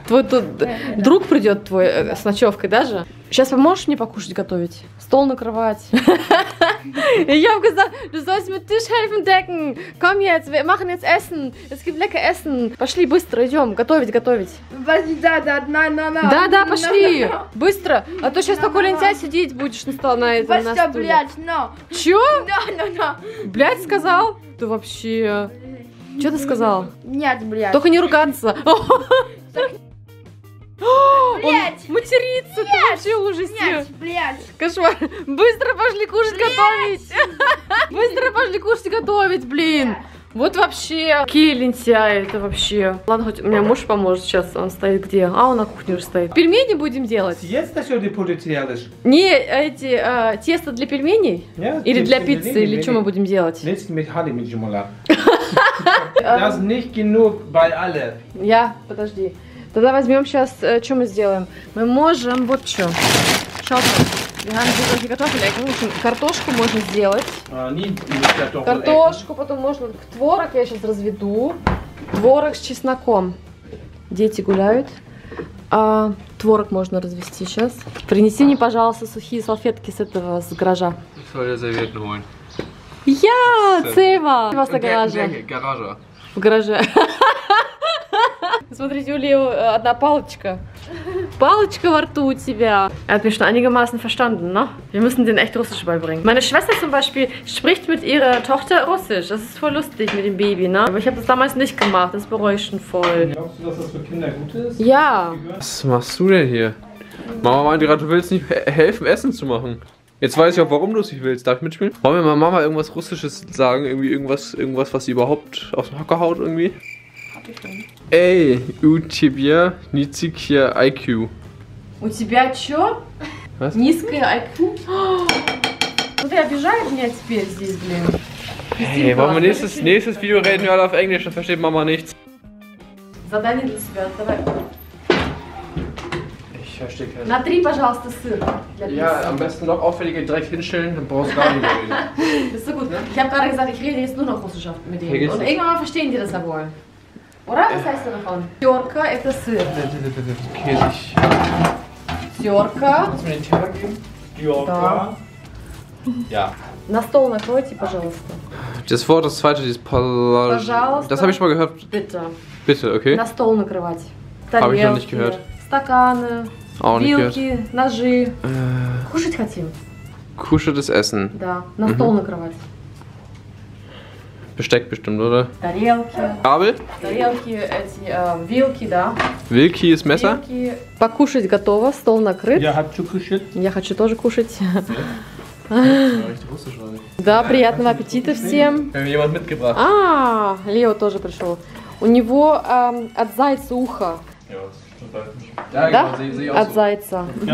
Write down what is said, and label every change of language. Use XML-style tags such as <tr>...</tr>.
<ru>Твой тут друг придет твой с ночевкой даже? Сейчас поможешь мне покушать готовить? Стол накрывать. Я бы сказала,</ru> <de>du sollst mir Tisch helfen decken. Komm jetzt, wir machen jetzt Essen. Es gibt lecker Essen.</de> <ru>Пошли быстро, идем, готовить, готовить. Да, да, на, на, на. Да, да, пошли. Быстро. А то сейчас такой лентяй сидеть будешь на столе на этом. Вася, блядь, но. Че? Да, да, да. Блядь, сказал? Ты вообще... Че ты сказал? Нет, блядь. Только не ругаться. Блять! Материться, ты вообще ужас! Блять! Кошмар! Быстро пошли кушать, готовить! Быстро пошли кушать, готовить, блин! Вот вообще! Какие лентяи это вообще! Ладно, хоть у меня муж поможет сейчас, он стоит где? А, он на кухне уже стоит. Пельмени будем делать? Тесто сегодня будет делать? Не, эти, тесто для пельменей? Или для пиццы, или что мы будем делать? Нет, мы хали меджимула.</ru> <de>Das nicht genug bei alle.</de> <ru>Ja, подожди. Тогда возьмем сейчас, что мы сделаем. Мы можем вот что.</ru> <de>Schaut mal, wir haben hier solche Kartoffeln. Ich muss Kartoschку</de> <ru>можно сделать. Картошку, потом можно творог я сейчас разведу. Творог с чесноком. Дети гуляют. Творог можно развести сейчас. Принеси мне, пожалуйста, сухие салфетки с этого, с гаража.</ru> <de>Soll ich zavet holen? Ja, Zeva. Du warst der Garage. Garage.</de> <ru>В гараже. Смотрите, у Лео одна палочка. Палочка во рту у тебя.</ru> <de>Er hat mich schon einigermaßen verstanden, ne? Wir müssen denen echt Russisch beibringen. Meine Schwester zum Beispiel spricht mit ihrer Tochter Russisch. Das ist voll lustig mit dem Baby, ne? Aber ich habe das damals nicht gemacht. Das bereue ich schon voll. Glaubst du, dass das für Kinder gut ist? Ja. Was machst du denn hier? Mama meinte gerade, du willst nicht helfen, Essen zu machen. Jetzt weiß ich auch, warum du es nicht willst. Darf ich mitspielen? Wollen wir meiner Mama irgendwas Russisches sagen? Irgendwie irgendwas, was sie überhaupt aus dem Hocker haut irgendwie? Hab ich denn?</de> <ru>Ey, u tibia nizikia IQ. U tibia чё?</ru> <de>Was?</de> <ru>Niskaya IQ? Ну ты обижаешь меня теперь здесь, блин.</ru> <de>Ey, wollen wir nächstes Video reden wir alle auf Englisch, dann versteht Mama nichts.</de> <ru>Задание для себя, давай.</ru> <de>Ich Ich verstehe keinen.</de> <ru>На три, пожалуйста, сыр.</ru> <de>Ja, am besten noch auffällige direkt hinstellen, dann brauchst du gar nicht mehr. Ist so gut. Ich habe gerade gesagt, ich rede jetzt nur noch Russisch mit denen. Und irgendwann verstehen die das ja wohl. Oder? Was heißt das davon?</de> <ru>Тёрка – это сыр.</ru> <de>Käsig.</de> <ru>Тёрка.</ru> <de>Kannst du mir den Teller geben?</de> <ru>Тёрка. Ja. На стол накройте, пожалуйста.</ru> <de>Das Wort, das zweite, dieses</de> <ru>пожалуйста.</ru> <de>Das habe ich schon mal gehört. Bitte. Bitte, okay.</de> <ru>На стол накрывать.</ru> <de>Habe ich noch nicht gehört.</de> <ru>Стаканы,</ru> <de>auch</de> <ru>вилки,</ru> <de>nicht gehört.</de> <ru>Ножи. Кушать хотим.</ru> <de>Кушать ist Essen.</de> <ru>Да, на mhm. стол накрывать.</ru> <de>Besteck bestimmt, oder?</de> <ru>Тарелки. Кабель? Тарелки, эти, вилки, да.</ru> <de>Вилки ist Messer.</de> <ru>Вилки. Покушать готово, стол накрыт. Я хочу кушать. Я хочу тоже кушать. Да, приятного аппетита всем. А, Лео тоже пришел. У него от зайца ухо. Да? От зайца.</ru>